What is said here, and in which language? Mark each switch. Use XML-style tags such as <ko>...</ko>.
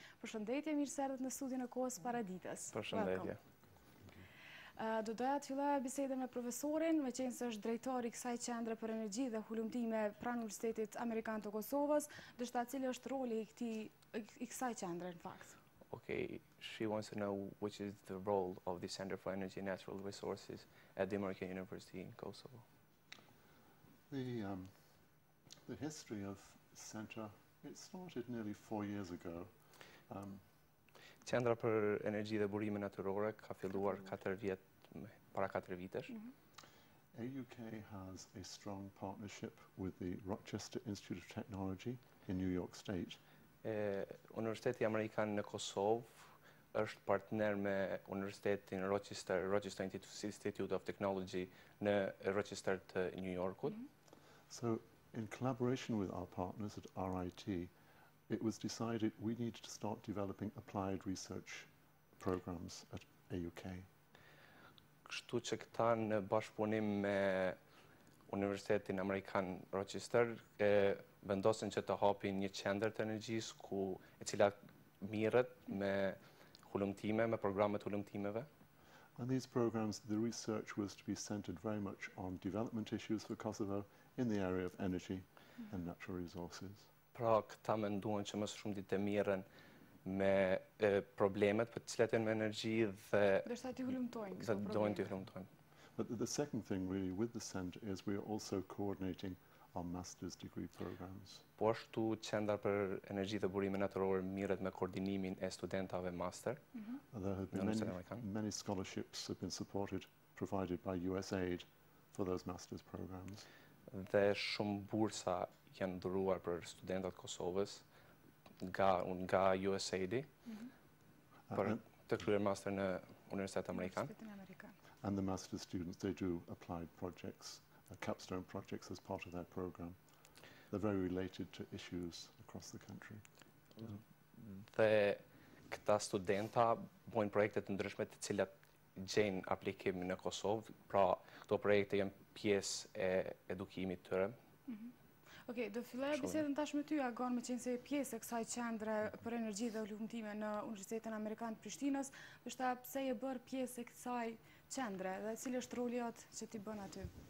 <sq>Përshëndetje, mirë se erdhët në studion e Kohës Paraditës. Përshëndetje. Do doja të filloja bisedën me profesorin, me qenë se është drejtori kësaj qendre për energji dhe hulumtime pranë Universitetit Amerikan të Kosovës, dështë ta cilë është roli i kësaj qendre në fakt.</sq> <en>Okay, she wants to know which is the role of the Center for Energy and Natural Resources at the American University in Kosovo. The history of CENR, it started nearly 4 years ago.</en> <sq>Qendra për Energji dhe Burime Natyrore ka filluar para 4 vitesh.</sq> <en>AUK has a strong partnership with the Rochester Institute of Technology in New York State.</en> <sq>Universiteti Amerikan në Kosovë është partner me Universitetin Rochester Institute of Technology në Rochester të New Yorkut.</sq> <en>So, in collaboration with our partners at RIT, it was decided we need to start developing applied research programs at AUK.</en> <sq>Kështu që këta në bashkëpunim me Universitetin Amerikan Rochester, vendosin që të hapin një qendër të energjisë ku e cila mirët me hulumtime, me programet hulumtimeve.</sq> <en>And these programs, the research was to be centered very much on development issues for Kosovo in the area of energy and natural resources.</en> <sq>Pra, këta menduan që më së shumti të mirën me problemet për të cilat janë me energji dhe... Dërsa t'i hulumtojnë këto probleme. Dhe dojnë t'i hulumtojnë.</sq> <en>But the second thing really with the center is we are also coordinating our master's degree programs.</en> <sq>Po ashtu, Qendra për Energji dhe Burime Natyrore mirët me koordinimin e studentave master.</sq> <en>There have been many scholarships have been supported, provided by USAID for those master's programs.</en> <sq>Dhe shumë bursa janë dhuruar për studentat Kosovës nga USAID për të kryer master në Universitet Amerikan.</sq> <en>And the master's students, they do applied projects, capstone projects as part of that program. They're very related to issues across the country.</en> <sq>Dhe këta studenta bojnë projekte të ndryshme të cilat gjenë aplikim në Kosovë, pra këto projekte jenë pjesë e edukimit tërë. Oke, do fillojë bisedën tash me ty, Agon, me qenë se pjesë e kësaj qendre për energji dhe hulumtime në Universitetin Amerikan të Prishtinës, është pse e bërë pjesë e kësaj qendre dhe cilë është roli atë që ti bën aty?</sq>